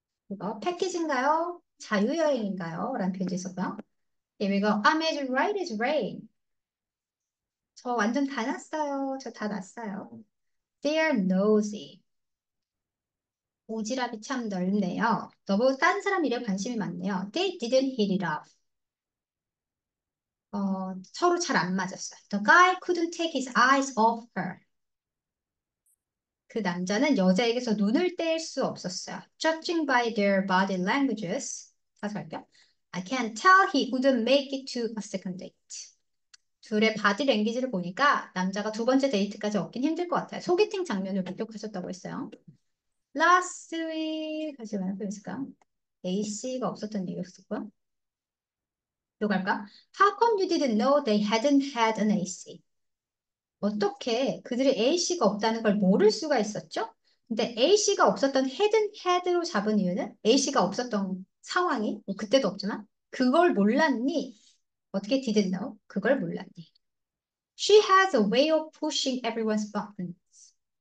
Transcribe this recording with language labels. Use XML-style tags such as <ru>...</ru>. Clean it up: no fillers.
<ko>이거 패키지인가요? 자유여행인가요? 라는 표현이 있었고요.</ko> <en>Here we go. I'm as right as rain.</en> <ko>저 완전 다 났어요. 저다 났어요.</ko> <en>They're nosy.</en> <ko>오지랖이 참 넓네요. 너무 딴 사람 일에 관심이 많네요.</ko> <en>They didn't hit it off.</en> <ko>서로 잘안 맞았어요.</ko> <en>The guy couldn't take his eyes off her.</en> <ko>그 남자는 여자에게서 눈을 뗄수 없었어요.</ko> <en>Judging by their body languages.</en> <ko>다시 갈게요.</ko> <en>I can't tell he wouldn't make it to a second date.</en> <ko>둘의 바디 랭귀지를 보니까 남자가 두 번째 데이트까지 얻긴 힘들 것 같아요. 소개팅 장면을 목격하셨다고 했어요.</ko> <en>Last week</en> <ko>다시 말해 보실까요? AC가 없었던 이유였었고요. 이거 갈까?</ko> <en>How come you didn't know they hadn't had an AC?</en> <ko>어떻게 그들이 AC가 없다는 걸 모를 수가 있었죠? 근데 AC가 없었던</ko> <en>hadn't had</en> <ko>로 잡은 이유는 AC가 없었던 상황이 그때도 없지만 그걸 몰랐니? 어떻게</ko> <en>didn't know?</en> <ko>그걸 몰랐니?</ko> <en>She has a way of pushing everyone's buttons.</en>